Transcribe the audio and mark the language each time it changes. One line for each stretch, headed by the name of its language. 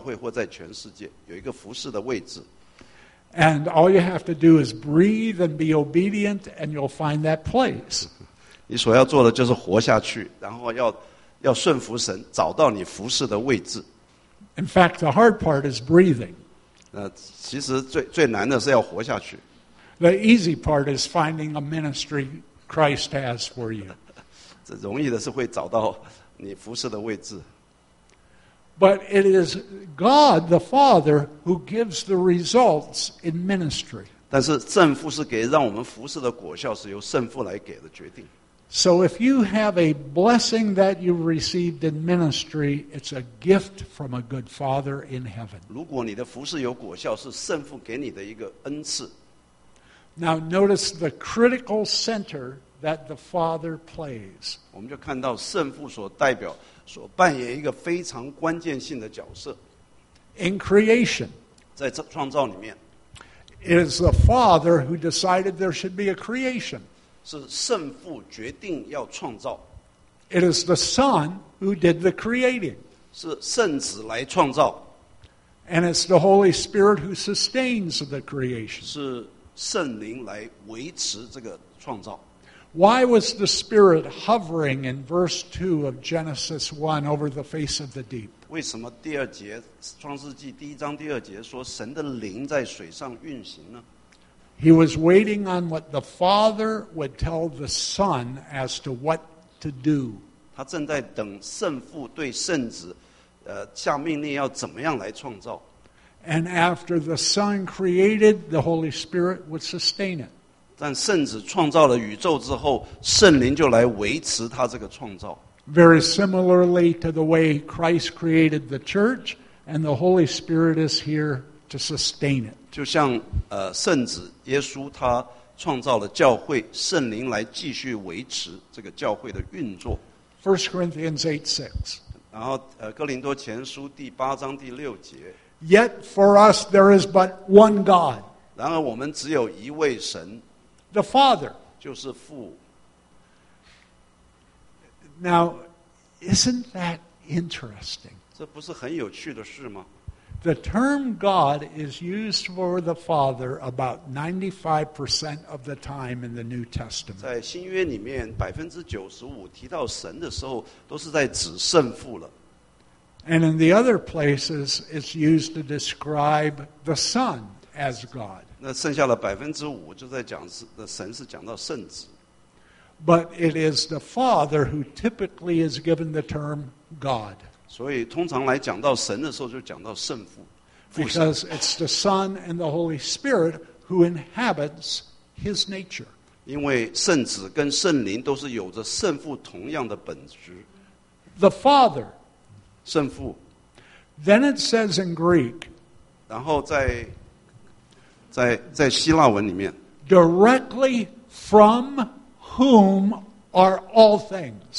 Chinese: 每一个基督徒由基督赐给他服事的机会，在本地教会或在全世界有一个服事的位置。
English: And all you have to do is breathe and be obedient, and you'll find that place.
Chinese: 你所要做的就是活下去，然后要顺服神，找到你服事的位置。
English: In fact, the hard part is breathing.
Chinese: 其实最难的是要活下去。
English: The easy part is finding a ministry Christ has for you.
Chinese: 容易的是会找到你服侍的位置。
English: But it is God the Father who gives the results in ministry.
Chinese: 但是圣父是给让我们服侍的果效是由圣父来给的决定。
English: So if you have a blessing that you received in ministry, it's a gift from a good father in heaven.
Chinese: 如果你的服事有果效，是圣父给你的一个恩赐。
English: Now notice the critical center that the father plays.
Chinese: 我们就看到圣父所代表、所扮演一个非常关键性的角色。
English: In creation.
Chinese: 在创造里面。
English: It is the father who decided there should be a creation.
Chinese: 是圣父决定要创造。
English: It is the Son who did the creating.
Chinese: 是圣子来创造。
English: And it's the Holy Spirit who sustains the creation.
Chinese: 是圣灵来维持这个创造。
English: Why was the Spirit hovering in verse 2 of Genesis 1 over the face of the deep?
Chinese: 为什么第二节，创世纪第一章第二节说神的灵在水上运行呢？
English: He was waiting on what the Father would tell the Son as to what to do.
Chinese: 他正在等圣父对圣子，下命令要怎么样来创造。
English: And after the Son created, the Holy Spirit would sustain it.
Chinese: 但圣子创造了宇宙之后，圣灵就来维持他这个创造。
English: Very similarly to the way Christ created the church, and the Holy Spirit is here to sustain it.
Chinese: 就像圣子耶稣他创造了教会，圣灵来继续维持这个教会的运作。
English: First Corinthians 8:6.
Chinese: 然后哥林多前书第八章第六节。
English: Yet for us there is but one God.
Chinese: 然而我们只有一位神。
English: The Father.
Chinese: 就是父。
English: Now, isn't that interesting?
Chinese: 这不是很有趣的事吗？
English: The term God is used for the Father about 95% of the time in the New Testament.
Chinese: 在新约里面95%提到神的时候都是在指圣父了。
English: And in the other places, it's used to describe the Son as God.
Chinese: 那剩下的5%就在讲神是讲到圣子。
English: But it is the Father who typically is given the term God.
Chinese: 所以通常来讲到神的时候就讲到圣父。
English: Because it's the Son and the Holy Spirit who inhabits his nature.
Chinese: 因为圣子跟圣灵都是有着圣父同样的本质。
English: The Father.
Chinese: 圣父。
English: Then it says in Greek.
Chinese: 然后在希腊文里面。
English: Directly from whom are all things.